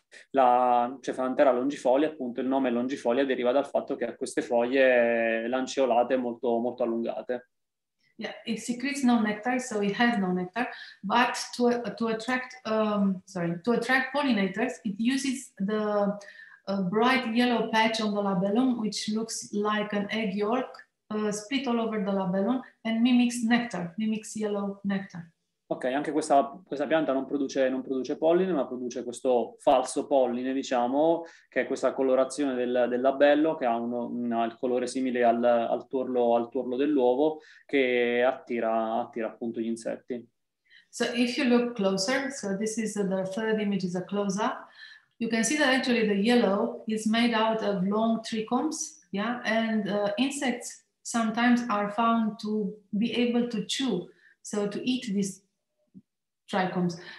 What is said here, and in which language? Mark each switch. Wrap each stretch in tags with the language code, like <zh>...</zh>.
<it>La Cephalanthera longifolia, appunto, il nome longifolia deriva dal fatto che ha queste foglie lanceolate molto molto allungate.</it> <en>Yeah, it secretes no nectar, so it has no nectar. But to attract pollinators, it uses the bright yellow patch on the labellum, which looks like an egg yolk. Split all over the labellum and mimics yellow nectar.</en> <it>Ok, anche questa pianta non produce polline, ma produce questo falso polline, diciamo, che è questa colorazione del labello, che ha il colore simile al tuorlo dell'uovo, che attira appunto gli insetti.</it> <en>So if you look closer, so this is the third image, is a close up. You can see that actually the yellow is made out of long trichomes, yeah, and insects sometimes are found to be able to chew, so to eat these trichomes.</en>